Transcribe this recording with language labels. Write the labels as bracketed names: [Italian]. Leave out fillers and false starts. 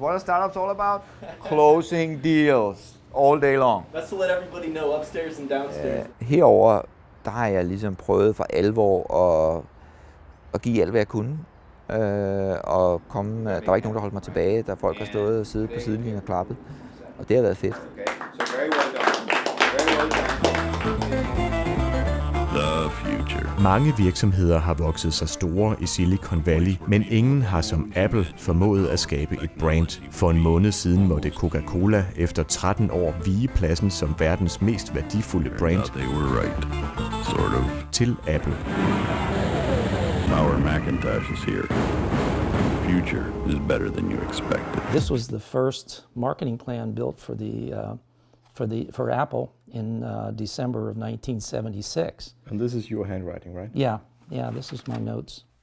[English] What are startups all about? Closing deals. All day long. That's to let everybody know upstairs and downstairs. [Danish] Herover der har jeg ligesom prøvet for alvor at give alt hvad jeg kunne. Og komme. Der var ikke nogen der holdt mig tilbage. Der folk har stået og siddet på sidelinjen og klappet. Og det har været fedt. [English] Okay. So very well done. Very well done. The future. [Danish] Mange virksomheder har vokset sig store i Silicon Valley, men ingen har som Apple formået at skabe et brand. For en måned siden måtte Coca-Cola efter 13 år vige pladsen som verdens mest værdifulde brand til Apple. [English] Our Macintosh is here. The future is better than you expected. This was the first marketing plan built for Apple in December of 1976. And this is your handwriting, right? Yeah, this is my notes.